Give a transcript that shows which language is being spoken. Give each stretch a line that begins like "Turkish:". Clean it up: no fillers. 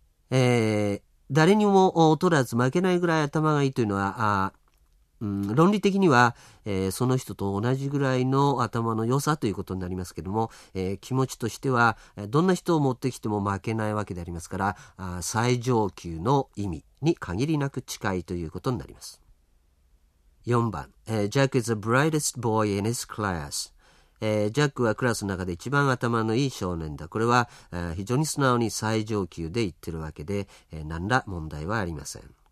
Japanese: 誰にも劣らず負けないぐらい頭がいいというのは論理的には、その人と同じぐらいの頭の良さということになりますけども、気持ちとしてはどんな人を持ってきても負けないわけでありますから、最上級の意味に限りなく近いということになります。
English: 4番、Jack is the brightest boy in his class。
Japanese: ジャックはクラスの中で一番頭のいい少年だ。これは、非常に素直に最上級で言ってるわけで、何ら問題はありません。